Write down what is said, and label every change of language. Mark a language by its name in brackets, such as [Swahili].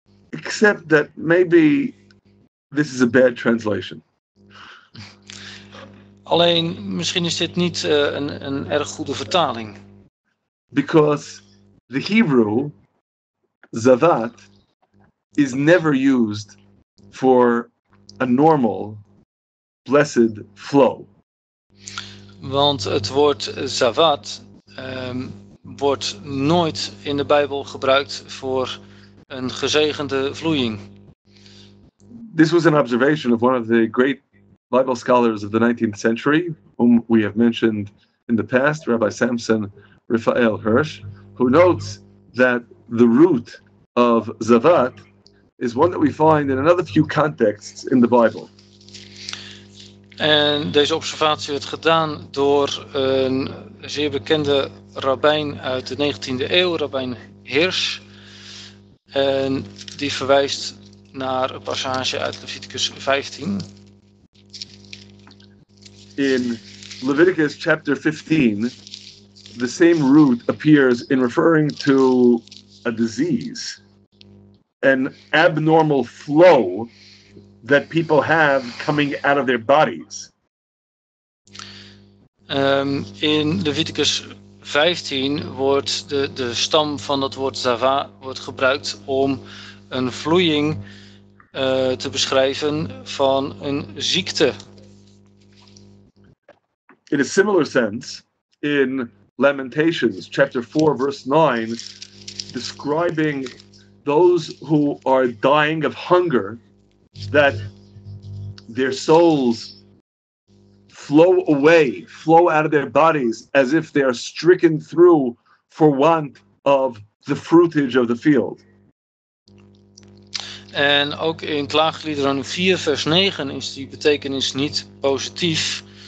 [English] Except that maybe this is a bad translation. [Dutch] Alleen misschien is dit niet een erg goede vertaling. [English] Because the Hebrew zavat is never used for a normal blessed flow. [Dutch] Want het woord zavat wordt nooit in de Bijbel gebruikt voor een gezegende vloeiing. [English] This was an observation of one of the great Bible scholars of the 19th century, whom we have mentioned in the past, Rabbi Samson Raphael Hirsch, who notes that the root of zavat is one that we find in another few contexts in the Bible. [Dutch] En deze observatie werd gedaan door een zeer bekende rabbijn uit de 19e eeuw, rabbijn Hirsch, en die verwijst naar een passage uit Leviticus 15. [English] In Leviticus chapter 15, the same root appears in referring to a disease, an abnormal flow that people have coming out of their bodies. [Dutch] In Leviticus 15 wordt de stam van dat woord zava wordt gebruikt om een vloeiing te beschrijven van een ziekte. [English] In a similar sense, in Lamentations, chapter 4, verse 9, describing those who are dying of hunger, that their souls flow away, flow out of their bodies as if they are stricken through for want of the fruitage of the field. [Dutch] En ook in Klaagliederen 4 vers 9 is die betekenis niet positief.